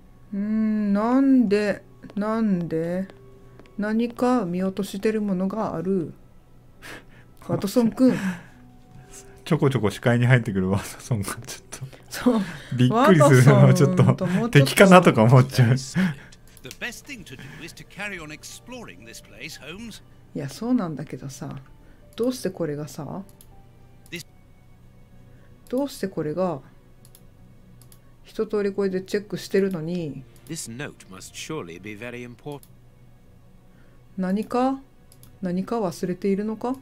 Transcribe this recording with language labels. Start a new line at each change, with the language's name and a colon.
Japanese: なんで、なんで、何か見落としてるものがある。ワトソン君ちょこちょこ視界に入ってくるワトソンがちょっとそうびっくりするのはちょっと敵かなとか思っちゃう。
English: The best thing to do is to carry on exploring this place, Holmes.
Japanese: いやそうなんだけどさ、どうしてこれがさ、どうしてこれが一通りこれでチェックしてるのに、
English: This note must surely be very important.
Japanese: 何か忘れているのか。